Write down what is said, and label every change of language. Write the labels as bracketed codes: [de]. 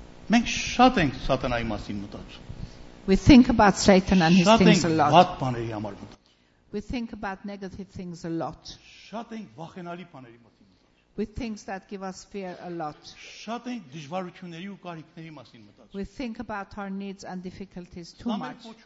[hy] Մենք շատ ենք Սատանայի մասին մտածում։ [en] We think about Satan and his things a lot. [hy] Շատ ենք բաների համար մտածում։ [en] We think about negative things a lot. [hy] Շատ ենք վախենալի բաների մասին մտածում։ [en] We think that give us fear a lot. [hy] Շատ ենք դժվարությունների ու կարիքների մասին մտածում։ [en] We think about our needs and difficulties too much.